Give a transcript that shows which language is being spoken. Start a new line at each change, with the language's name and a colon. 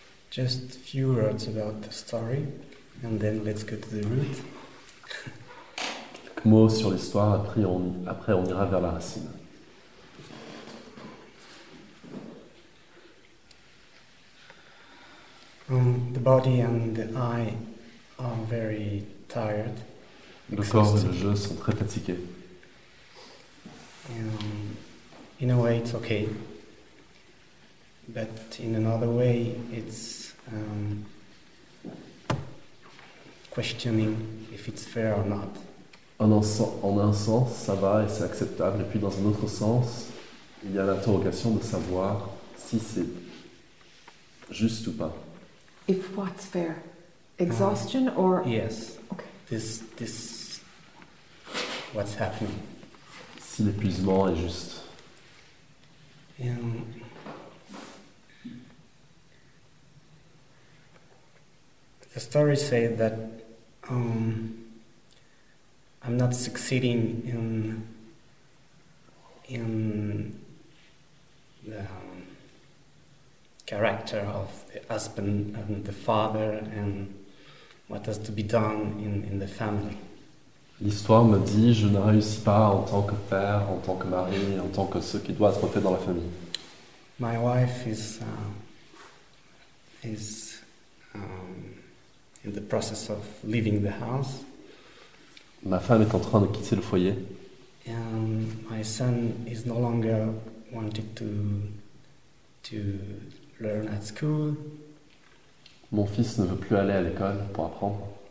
English: Just a few words about the story, and then let's go to the root.
French: Quelques mots sur l'histoire, après on ira vers la racine.
English: The body and the eye are very tired.
French: Le corps et le jeu sont très fatigués.
English: In a way, it's okay. But in another way, it's questioning if it's fair or not.
French: En un sens, ça va et c'est acceptable. Et puis dans un autre sens, il y a l'interrogation de savoir si c'est juste ou pas.
English: If what's fair? Exhaustion or... Yes. Okay. This... What's happening?
French: Si l'épuisement est juste.
English: The story said that I'm not succeeding in the character of the husband and the father and what has to be done in the family.
French: L'histoire me dit je ne réussis pas en tant que père, en tant que mari, en tant que ce qui doit être fait dans la famille.
English: My wife is in the process of leaving the house.
French: Ma femme est en train de quitter le foyer.
English: And my son is no longer wanted to learn at school.
French: Mon fils ne veut plus aller à l'école pour apprendre.